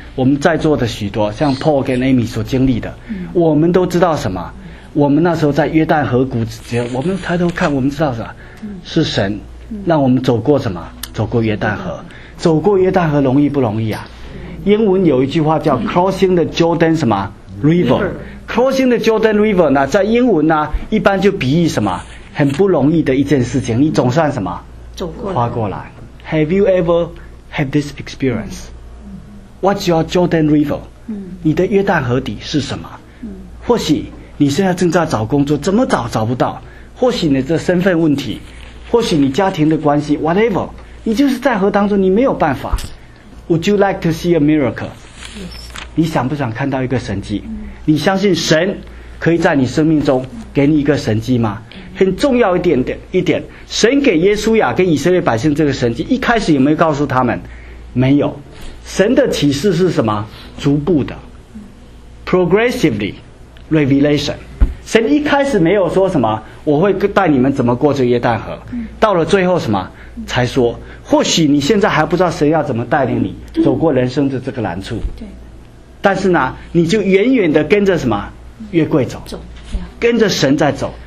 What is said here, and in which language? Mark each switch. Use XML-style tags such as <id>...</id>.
<zh>我们在座的许多像 Paul 跟 Amy 所经历的，我们都知道什么，我们那时候在约旦河谷之间，我们抬头看，我们知道什么，是神让我们走过什么，走过约旦河。走过约旦河容易不容易啊？英文有一句话叫 crossing the Jordan 什么 river，</zh> <en>crossing the Jordan river</en> <zh>呢，在英文呢一般就比喻什么，很不容易的一件事情，你总算什么走过来跨过来。</zh> <en>Have you ever had this experience? What's your Jordan River?、嗯、</en> <zh>你的约旦河底是什么、嗯、或许你现在正在找工作，怎么找找不到，或许你的身份问题，或许你家庭的关系 whatever, 你就是在河当中，你没有办法。</zh> <en>Would you like to see a miracle?、 Yes.</en> <zh>你想不想看到一个神迹、嗯、你相信神可以在你生命中给你一个神迹吗？很重要一点点一点，神给耶稣亚跟以色列百姓这个神迹，一开始有没有告诉他们？没有。神的启示是什么？逐步的 progressively revelation。神一开始没有说什么我会带你们怎么过这约旦河，到了最后什么才说。或许你现在还不知道神要怎么带领你走过人生的这个难处，对，但是呢你就远远的跟着什么约柜走，跟着神在走。</zh>